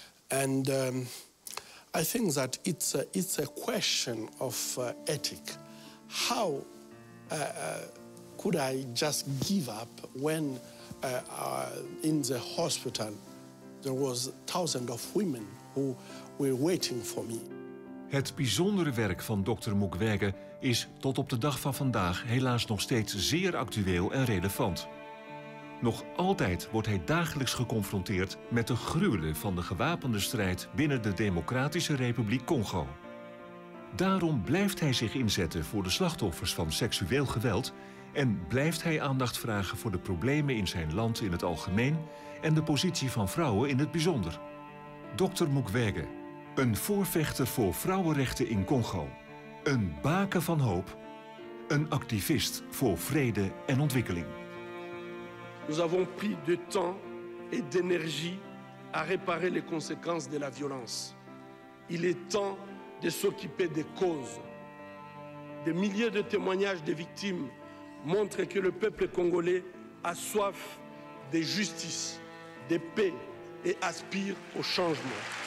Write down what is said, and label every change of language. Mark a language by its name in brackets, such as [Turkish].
[English] And I think that it's a question of ethic. How could I just give up when in the hospital there was thousands of women who were waiting for me. [Dutch] Het bijzondere werk van Dr. Mukwege is tot op de dag van vandaag helaas nog steeds zeer actueel en relevant. Nog altijd wordt hij dagelijks geconfronteerd met de gruwelen van de gewapende strijd binnen de Democratische Republiek Congo. Daarom blijft hij zich inzetten voor de slachtoffers van seksueel geweld en blijft hij aandacht vragen voor de problemen in zijn land in het algemeen en de positie van vrouwen in het bijzonder. Dr. Mukwege, een voorvechter voor vrouwenrechten in Congo. Een baken van hoop. Een activist voor vrede en ontwikkeling. [French] Nous avons pris de temps et d'énergie à réparer les conséquences de la violence. Il est temps de s'occuper des causes. Des milliers de témoignages des victimes montrent que le peuple congolais a soif de justice, de paix et aspire au changement.